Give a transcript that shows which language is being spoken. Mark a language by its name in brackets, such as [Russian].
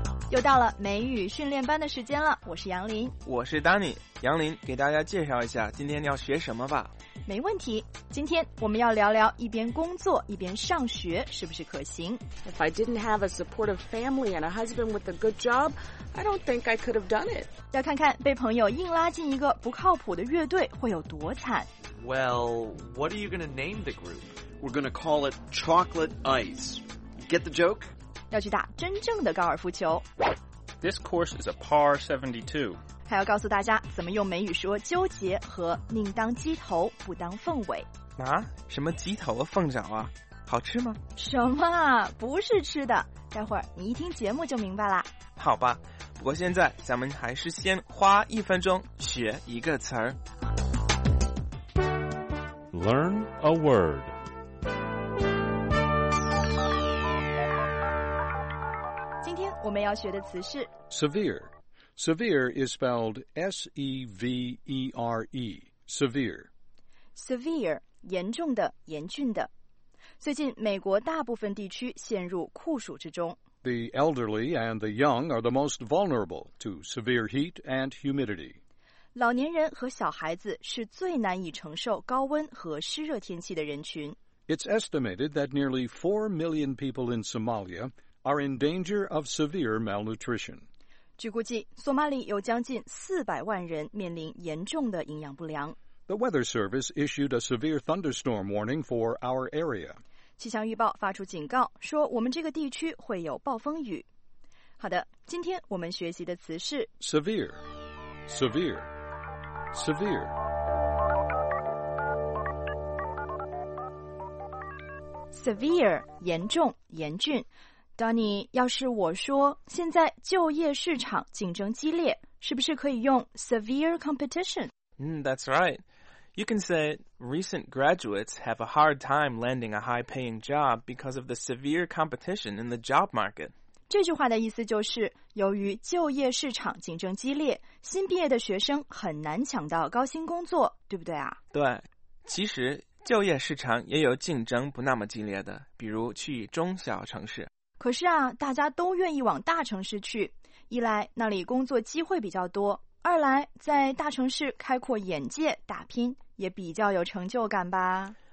[Chinese] 又到了美语训练班的时间了，我是杨林。我是 Danny。杨林，给大家介绍一下今天要学什么吧。没问题，今天我们要聊聊一边工作一边上学是不是可行。 [English] If I didn't have a supportive family and a husband with a good job, I don't think I could have done it. [Chinese] 要看看被朋友硬拉进一个不靠谱的乐队会有多惨。 [English] Well, what are you going to name the group? We're going to call it Chocolate Ice. Get the joke? [Chinese] 要去打真正的高尔夫球。 [English] This course is a par 72. [Chinese] 还要告诉大家怎么用美语说纠结和宁当鸡头不当凤尾。啊？什么鸡头和凤脚啊？好吃吗？什么？不是吃的。待会儿你一听节目就明白啦。好吧，不过现在咱们还是先花一分钟学一个词儿。 [English] Learn a word. [Chinese] 我们要学的词是 [English] severe. Severe is spelled S-E-V-E-R-E. Severe. [Chinese] Severe, 严重的，严峻的。最近美国大部分地区陷入酷暑之中。 [English] The elderly and the young are the most vulnerable to severe heat and humidity. [Chinese] 老年人和小孩子是最难以承受高温和湿热天气的人群。 [English] It's estimated that nearly 4 million people in Somalia... are in danger of severe malnutrition. [Chinese] 据估计，索马里有将近400万人面临严重的营养不良。 [English] The Weather Service issued a severe thunderstorm warning for our area. [Chinese] 气象预报发出警告，说我们这个地区会有暴风雨。好的，今天我们学习的词是 [English] severe, severe, severe. [Chinese] Severe, 严重，严峻。Danny, 要是我说现在就业市场竞争激烈，是不是可以用 [English] severe competition? That's right. You can say recent graduates have a hard time landing a high-paying job because of the severe competition in the job market. [Chinese] 这句话的意思就是，由于就业市场竞争激烈，新毕业的学生很难抢到高薪工作，对不对啊？对，其实就业市场也有竞争不那么激烈的，比如去中小城市。可是啊，大家都愿意往大城市去，一来那里工作机会比较多，二来在大城市开阔眼界打拼也比较有成就感吧。